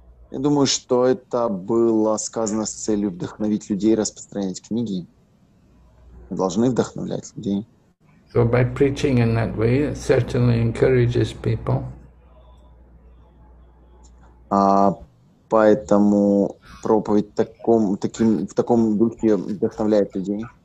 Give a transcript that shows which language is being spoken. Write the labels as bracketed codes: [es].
[ru] Я думаю, что это было сказано с целью вдохновить людей распространять книги. Мы должны вдохновлять людей. [en] So by preaching in that way, it certainly encourages people. [ru] Поэтому проповедь в таком духе вдохновляет людей.